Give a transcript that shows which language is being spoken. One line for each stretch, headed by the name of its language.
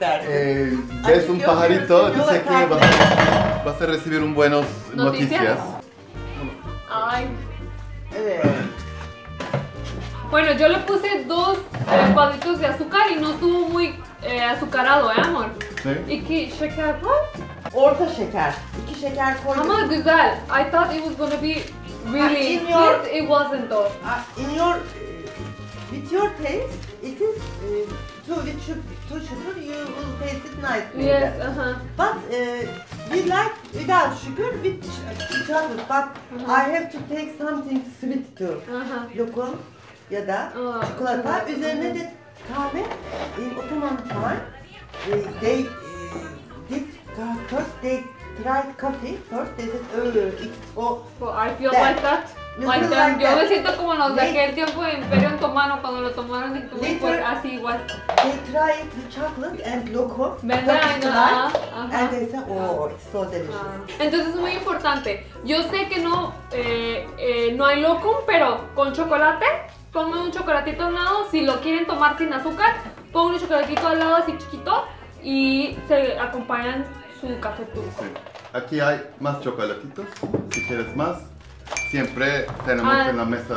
Spanish: derdi. Es un pajarito, dice que vas a recibir un buenos noticias. Ay. Bueno, yo le puse dos cuadritos de azúcar y no estuvo muy azucarado, amor. Sí. ¿Y qué azúcar fue?
Turkish: Orta şeker. İki şeker koydum. Ama güzel.
English: I thought it was gonna be really sweet. It wasn't though. In your with your taste, it is too sugar. You will taste it nice. Yes. But we like without sugar with sugar. But I have to take something sweet too.
Turkish: Lokum ya da çikolata. Üzerine de kahve.
English: In Ottoman time, they did. First they tried coffee. First they said, oh, I feel that. Like that. Like that. Like yo that.
Spanish: Me siento como los de aquel tiempo de Imperio Otomano cuando lo tomaron y tuve por así igual.
English: They tried the chocolate and loco.
Turkish: Ben de aynı.
English: And they said, oh, it's so delicious.
Spanish: Entonces es muy importante. Yo sé que no, no hay loco, pero con chocolate, pongo un chocolatito al lado. Si lo quieren tomar sin azúcar, pongo un chocolatito al lado así chiquito. Y se acompañan su café turco. Sí. Aquí hay más chocolatitos, si quieres más. Siempre tenemos en la mesa.